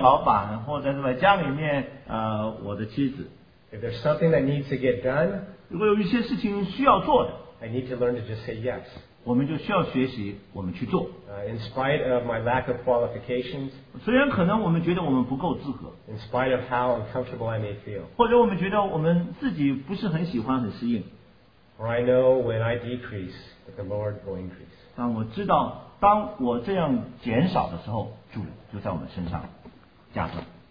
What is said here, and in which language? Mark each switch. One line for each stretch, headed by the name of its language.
Chinese: 就算是我在公司的老板或者在家里面我的妻子。
English: If there's something that needs to get done.
Chinese: 如果有一些事情需要做的。
English: I need to learn to just say yes.
Chinese: 我们就需要学习，我们去做。
English: In spite of my lack of qualifications,
Chinese: 虽然可能我们觉得我们不够资格。
English: In spite of how uncomfortable I may feel,
Chinese: 或者我们觉得我们自己不是很喜欢，很适应。
English: For I know when I decrease, that the Lord will increase.
Chinese: 但我知道，当我这样减少的时候， 主就在我们身上加增。